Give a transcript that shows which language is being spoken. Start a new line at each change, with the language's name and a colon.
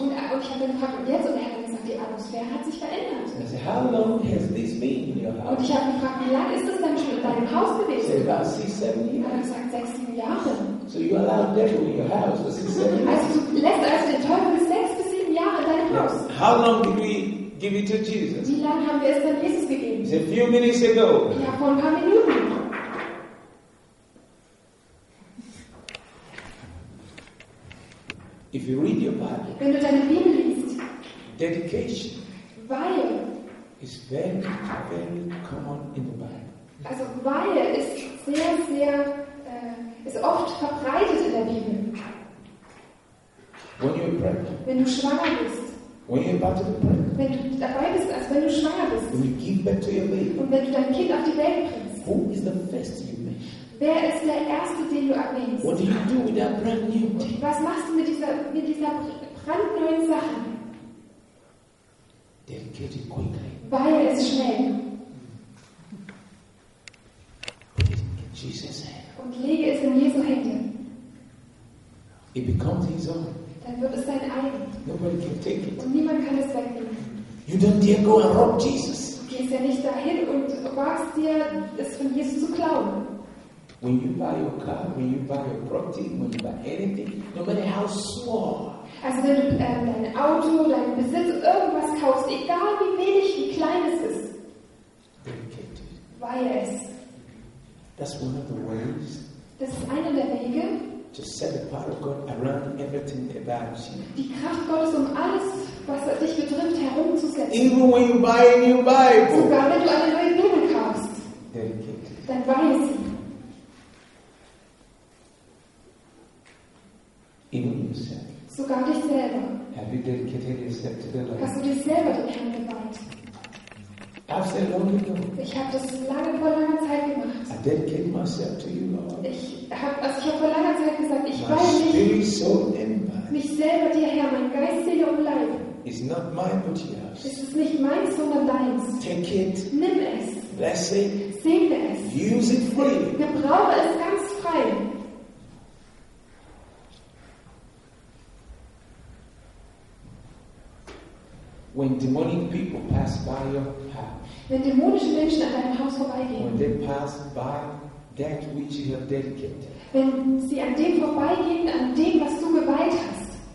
German: Und ich habe ihn gefragt, und jetzt? Und er hat gesagt, die Atmosphäre hat sich verändert.
English: And I said, how long has this been in your house?
German: Und ich habe ihn gefragt, wie lange ist das denn schon in deinem Haus gewesen?
English: He said, 6-7 years.
German: Er hat gesagt, 6-7 Jahre.
English: So you allow devil in your house for 6-7 years.
German: Also du lässt also den Teufel 6-7 Jahre in deinem Haus.
English: Now, how long did we give it to Jesus?
German: Wie lange haben wir es dann Jesus gegeben?
English: He said, a few minutes ago.
German: Ja, vor ein paar Minuten.
English: If you read your Bible,
German: wenn du deine Bibel liest,
English: dedication,
German: weihe,
English: is very, very common in the Bible.
German: Also weihe ist sehr, sehr, ist oft verbreitet in der Bibel.
English: When you're pregnant,
German: wenn du schwanger bist,
English: when you're about to be pregnant,
German: wenn du dabei bist, also wenn du schwanger bist,
English: when you give birth to your baby,
German: und wenn du dein Kind auf die Welt bringst,
English: who is the first you meet?
German: Wer ist der Erste, den du erwähnst?
English: What do you do with that brand new thing?
German: Was machst du mit dieser brandneuen Sache?
English: Dedicate it quickly.
German: Weihe es schnell.
English: Put it in Jesus' hand.
German: Und lege es in Jesu Hände.
English: It becomes his own.
German: Dann wird es dein eigen.
English: Nobody can take it.
German: Und niemand kann es wegnehmen.
English: You don't dare go and rob Jesus.
German: Du gehst ja nicht dahin und wagst dir, es von Jesus zu klauen.
English: When you buy your car, when you buy your property, when you buy anything, no matter how small.
German: Also wenn du dein Auto, dein Besitz, irgendwas kaufst, egal wie wenig, wie klein es ist.
English: Dedicate.
German: Weihe es.
English: That's one of the ways.
German: Das ist einer der Wege.
English: To set the power of God around everything about you.
German: Die Kraft Gottes um alles, was dich betrifft, herumzusetzen.
English: Even when you buy a new Bible.
German: Sogar wenn du eine neue Bibel kaufst.
English: Dedicate.
German: Dann weihe sie.
English: Even yourself.
German: Sogar dich selber.
English: Have you dedicated yourself to the Lord?
German: Hast du dich selber dem Herrn geweiht?
English: I've said long ago.
German: Ich habe das lange vor langer Zeit gemacht.
English: I dedicate myself to you, Lord.
German: Ich habe vor langer Zeit gesagt, ich weihe mich selber dir her, mein Geist, Seele und Leib.
English: It's not mine, but yours.
German: Es ist nicht meins, sondern deins.
English: Take it.
German: Nimm es.
English: Bless it.
German: Segne es.
English: Use it freely.
German: Gebrauche es ganz frei.
English: When demonic people pass by your house,
German: wenn dämonische Menschen an deinem Haus vorbeigehen,
English: when they pass by that which you have dedicated,
German: wenn sie an dem vorbeigehen, an dem, was du geweiht hast,